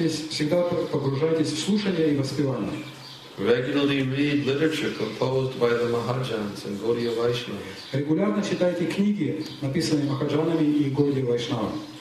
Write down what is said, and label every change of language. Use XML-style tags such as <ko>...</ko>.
<ru>Всегда погружайтесь в слушание и воспевание.</ru> <en>Regularly read literature composed by the Mahajans and Gaudiya Vaishnavas.</en> <ru>Регулярно читайте книги, написанные Махаджанами и Гаудия Вайшнавами.</ru>